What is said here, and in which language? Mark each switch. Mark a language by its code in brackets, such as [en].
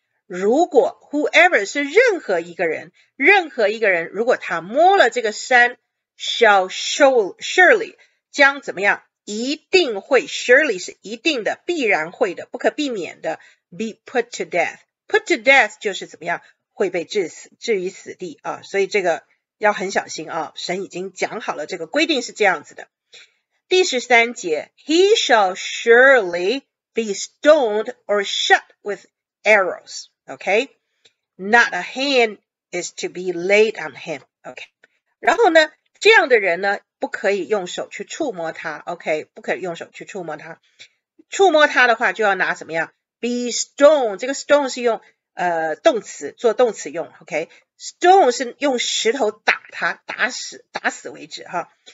[zh] 如果 whoever 是任何一个人，任何一个人，如果他摸了这个山， [en] shall surely [zh] 将怎么样？一定会，surely 是一定的，必然会的，不可避免的， [en] be put to death。 Put to death [zh] 就是怎么样会被致死，置于死地啊，所以这个要很小心啊。神已经讲好了，这个规定是这样子的。第十三节， [en] He shall surely be stoned or shot with arrows. OK, not a hand is to be laid on him. [zh] OK, 然后呢，这样的人呢，不可以用手去触摸他。 OK, 不可以用手去触摸他。触摸他的话，就要拿怎么样？ [en] Be stone， [zh] 这个 stone 是用动词做动词用，OK？Stone 是用石头打他，打死为止哈。